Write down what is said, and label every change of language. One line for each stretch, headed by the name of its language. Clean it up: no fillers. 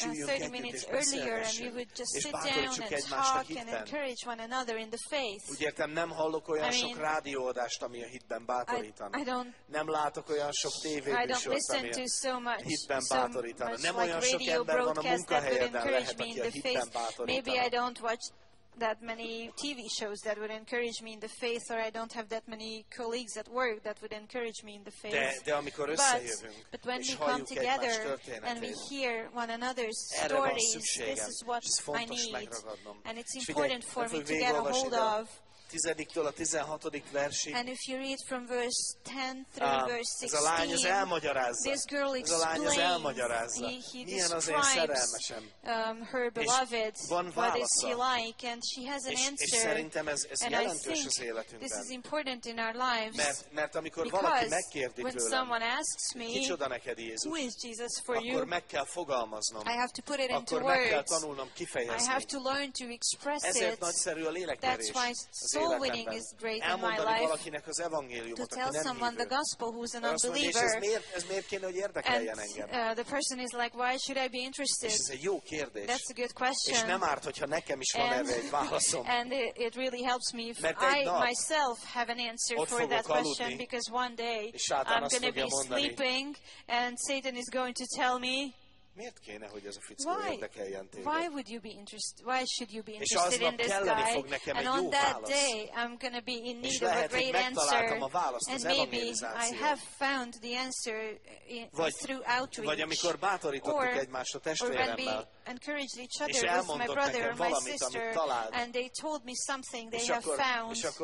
English: 30 minutes earlier, and we would just sit down and talk and encourage one another in the faith.
Hungarian: Úgy értem, nem hallok olyan
English: I mean,
Hungarian: sok rádióadást, ami a hitben bátorítana. Nem látok olyan sok tévéműsort, ami
English: so much,
Hungarian: hitben bátorítana.
English: So
Hungarian: nem olyan
English: like
Hungarian: sok ember van a munkahelyeden lehet, aki a hitben
English: faith.
Hungarian: Bátorítana.
English: Maybe I don't watch that many TV shows that would encourage me in the faith, or I don't have that many colleagues at work that would encourage me in the faith.
Hungarian: De amikor összejövünk,
English: but when we come together and we hear one another's stories, this is what I need. And it's important for me to get a hold of. 10-től a 16. versig. And if you read from verse 10 through verse 16,
Hungarian: ez a lány az elmagyarázza.
English: This girl explains.
Hungarian: Ez a lány az elmagyarázza. Milyen az én szerelmesem.
English: Her beloved.
Hungarian: Van
English: what is he like? And she has an answer.
Hungarian: És szerintem ez
English: and
Hungarian: jelentős
English: I think
Hungarian: az életünkben.
English: This is important in our lives.
Hungarian: Mert amikor
English: because
Hungarian: valaki megkérdi
English: when
Hungarian: tőlem,
English: someone asks me,
Hungarian: kicsoda neked Jézus?
English: Who is Jesus for you?
Hungarian: Akkor meg kell fogalmaznom.
English: I have to put it into
Hungarian: akkor
English: words.
Hungarian: Meg kell tanulnom kifejezni.
English: I have to learn to express
Hungarian: ezért
English: it.
Hungarian: Ezért nagyszerű a lélekverés.
English: Soul winning is great in my life.
Hungarian: Az evangéliumot,
English: to tell someone
Hungarian: hívő,
English: the gospel who's an unbeliever.
Hungarian: Mondja, ez miért kéne, hogy érdekeljen
English: and
Hungarian: engem?
English: The person is like, why should I be interested?
Hungarian: Ez egy jó kérdés.
English: That's a good question.
Hungarian: És nem árt, hogyha nekem is van erre egy válaszom.
English: And it really helps me if I myself have an answer for that question.
Hungarian: Aludni,
English: because one day I'm going to be sleeping and Satan is going to tell me,
Hungarian: miért kéne, hogy ez a fickó érdekeljen téged?
English: Why would you be interested? Why should you be interested in this guy? And on that day, I'm gonna be in need of a great answer. And maybe I have found the answer through outreach.
Hungarian: Vagy amikor bátorítottuk egymást a testvéremmel.
English: Encouraged each other with my brother and my sister, and they told me something they have found.